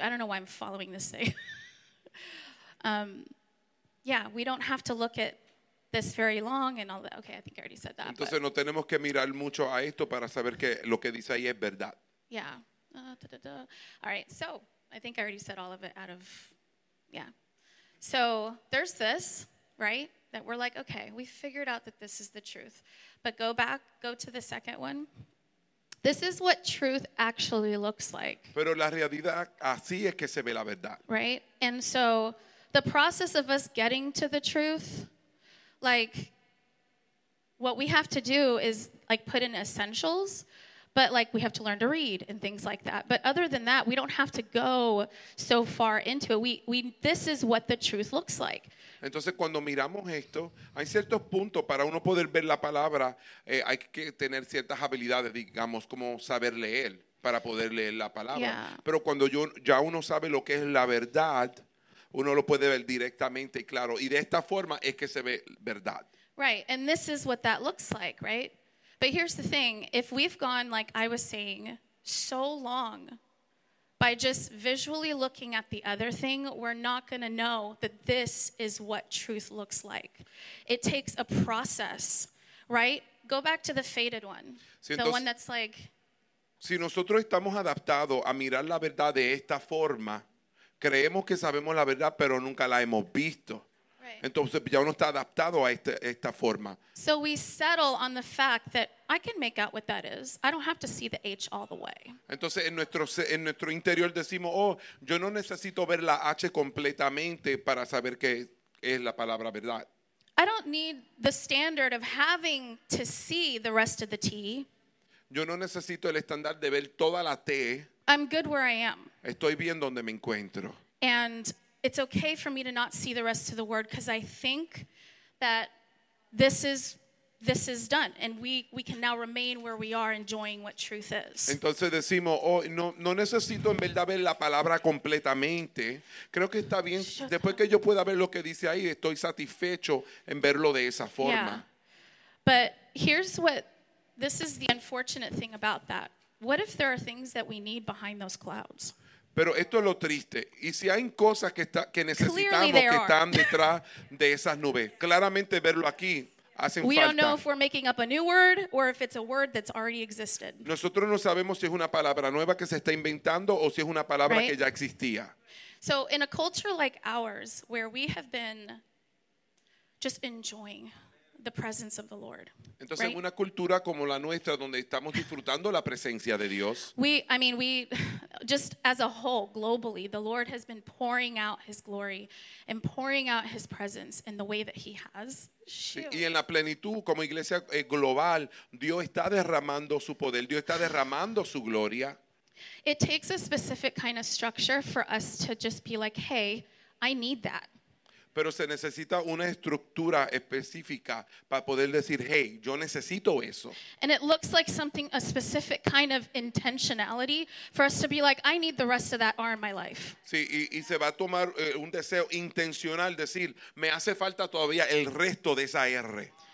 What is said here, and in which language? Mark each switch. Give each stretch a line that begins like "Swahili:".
English: I don't know why I'm following this thing. we don't have to look at this very long and all that. Okay, I think I already said that.
Spanish: Entonces, no tenemos que mirar mucho a esto para saber que lo que dice ahí es verdad.
English: Yeah. All right, so I think I already said all of it So there's this, right, that we're like, okay, we figured out that this is the truth. But go to the second one. This is what truth actually looks like.
Spanish: Pero la realidad, así es que se ve la verdad.
English: Right? And so the process of us getting to the truth, like, what we have to do is, like, put in essentials. But, like, we have to learn to read and things like that. But other than that, we don't have to go so far into it. This is what the truth looks like.
Spanish: Entonces, cuando miramos esto, hay ciertos puntos para uno poder ver la palabra. Hay que tener ciertas habilidades, digamos, como saber leer para poder leer la palabra.
English: Yeah.
Spanish: Pero cuando ya uno sabe lo que es la verdad, uno lo puede ver directamente y claro. Y de esta forma es que se ve verdad.
English: Right. And this is what that looks like, right? But here's the thing, if we've gone, like I was saying, so long by just visually looking at the other thing, we're not going to know that this is what truth looks like. It takes a process, right? Go back to the faded one,
Spanish: sí, entonces,
English: the one that's like...
Spanish: Si nosotros estamos adaptados a mirar la verdad de esta forma, creemos que sabemos la verdad, pero nunca la hemos visto. Entonces ya uno está adaptado a esta forma.
English: So we settle on the fact that I can make out what that is. I don't have to see the H all the way.
Spanish: Entonces en nuestro interior decimos, oh, yo no necesito ver la H completamente para saber que es la palabra verdad.
English: I don't need the standard of having to see the rest of the T.
Spanish: Yo no necesito el estándar de ver toda la T.
English: I'm good where I am.
Spanish: Estoy bien donde me encuentro.
English: And it's okay for me to not see the rest of the word because I think that this is done and we can now remain where we are enjoying what truth is.
Spanish: Entonces decimos, oh, no necesito en verdad ver la palabra completamente. Creo que está bien. Shut después up. Que yo pueda ver lo que dice ahí, estoy satisfecho en verlo de esa forma.
English: Yeah. But here's what, this is the unfortunate thing about that. What if there are things that we need behind those clouds?
Spanish: Pero esto es lo triste. Y si hay cosas que necesitamos que están detrás de esas nubes, claramente verlo aquí hacen falta.
English: We don't know if we're making up a new word or if it's a word that's already existed.
Spanish: Nosotros no sabemos si es una palabra nueva que se está inventando o si es una palabra que ya existía.
English: So in a culture like ours, where we have been just enjoying the presence of the Lord.
Spanish: Entonces,
English: right?
Spanish: En una cultura como la nuestra, donde estamos disfrutando la presencia de Dios.
English: We just as a whole, globally, the Lord has been pouring out his glory and pouring out his presence in the way that he has.
Spanish: Sí, y en la plenitud, como iglesia global, Dios está derramando su poder, Dios está derramando su gloria.
English: It takes a specific kind of structure for us to just be like, hey, I need that.
Spanish: Pero se necesita una estructura específica para poder decir, hey, yo necesito eso.
English: And it looks like something, a specific kind of intentionality for us to be like, I need the rest of that R in my life.
Spanish: Sí, y se va a tomar un deseo intencional, decir, me hace falta todavía el resto de esa R.